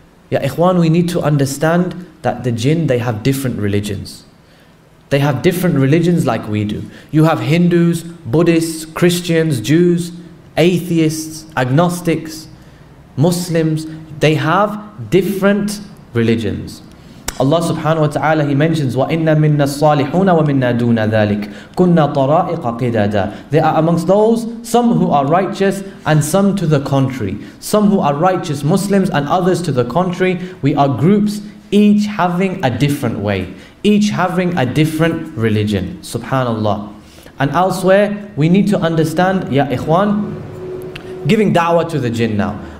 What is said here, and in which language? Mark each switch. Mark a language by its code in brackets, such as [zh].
[ar] Ya ikhwan, [en] we need to understand that the jinn, they have different religions. They have different religions like we do. You have Hindus, Buddhists, Christians, Jews, atheists, agnostics, Muslims. They have different religions. [ar] Allah subhanahu wa ta'ala, [en] He mentions, [ar] وَإِنَّ مِنَّا الصَّالِحُونَ وَمِنَّا دُونَ ذَلِكَ كُنَّا طَرَائِقَ قِدَادًا. [en] There are amongst those, some who are righteous and some to the contrary. Some who are righteous Muslims and others to the contrary. We are groups, each having a different way. Each having a different religion. Subhanallah. And elsewhere, we need to understand, [ar] Ya Ikhwan, [en] giving da'wah to the jinn now.